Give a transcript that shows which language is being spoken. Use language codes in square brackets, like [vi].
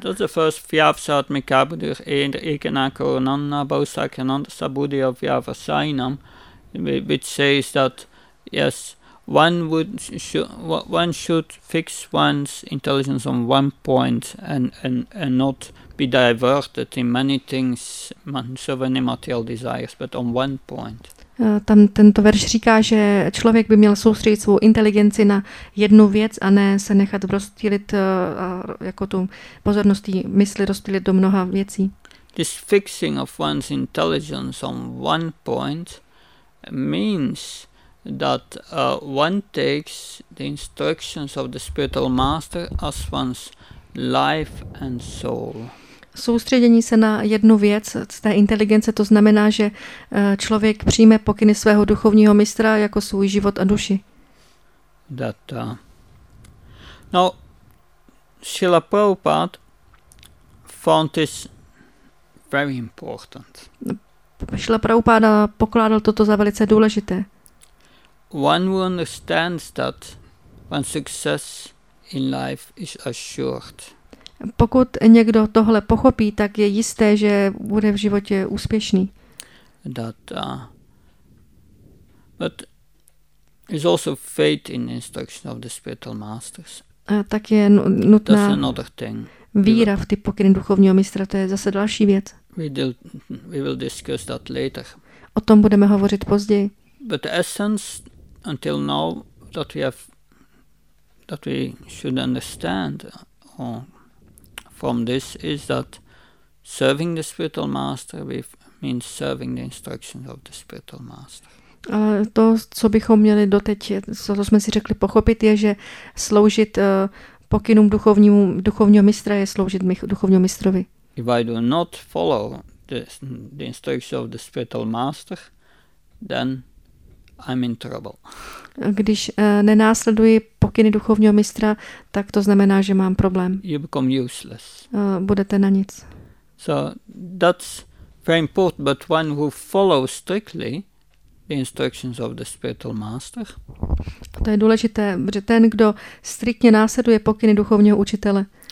[en] That's the first Vyavsat Mikabudur in the Ikanakurananda Bausakananda Sabudhi of Vyavasainam, which says that, yes, One should fix one's intelligence on one point and not be diverted in many things, so many material desires, but on one point. [cs] Tam tento verš říká, že člověk by měl soustředit svou inteligenci na jednu věc a ne se nechat rozptýlit jako tu pozornost mysli rozptýlit do mnoha věcí. [en] This fixing of one's intelligence on one point means that one takes the instructions of the spiritual master as one's life and soul. [cs] soustředění se na jednu věc z té inteligence, to znamená, že člověk přijme pokyny svého duchovního mistra jako svůj život a duši. Data. [en] No, Srila Prabhupada found this very important. [cs] Srila Prabhupada pokládal toto za velice důležité. [en] One who understands that one success in life is assured. [cs] Pokud někdo tohle pochopí, tak je jisté, že bude v životě úspěšný. [en] That, but is also faith in instruction of the spiritual masters. [cs] Tak je nutná [en] that's another thing. [cs] Víra v ty pokyny duchovního mistra, to je zase další věc. [en] We will discuss that later. [cs] O tom budeme hovořit později. [en] But the essence until now that we have that we should understand or from this is that serving the spiritual master means serving the instructions of the spiritual master. [cs] To, co bychom měli doteď, co jsme si řekli pochopit, je, že sloužit pokynům duchovního mistra je sloužit duchovního mistrovi. [en] If I do not follow the instructions of the spiritual master, then I'm in trouble. [cs] Když nenásleduji pokyny duchovního mistra, tak to znamená, že mám problém. [en] You become useless. [cs] Budete na nic. [en] So that's very important, but one who follows strictly the instructions of the spiritual master. [cs] To je důležité, že ten, kdo striktně následuje pokyny duchovního učitele.